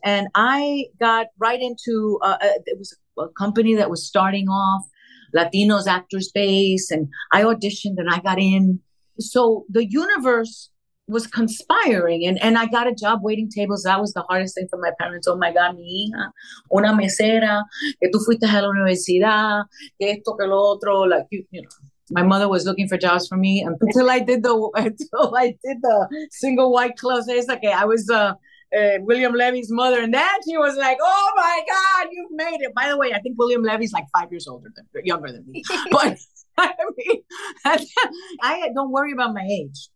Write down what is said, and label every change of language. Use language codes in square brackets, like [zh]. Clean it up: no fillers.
[en] And I got right into, it was a company that was starting off, Latinos Actors Base, and I auditioned and I got in. So the universe was conspiring, and I got a job waiting tables. That was the hardest thing for my parents. Oh my God, [es] mi hija, una mesera, que tú fuiste a la universidad, que esto, que lo otro. [en] Like, you know, my mother was looking for jobs for me until I did the single white clothes. It's like I was William Levy's mother, and then she was like, oh my God, you've made it. By the way, I think William Levy's like 5 years younger than me. But I mean, I don't worry about my age.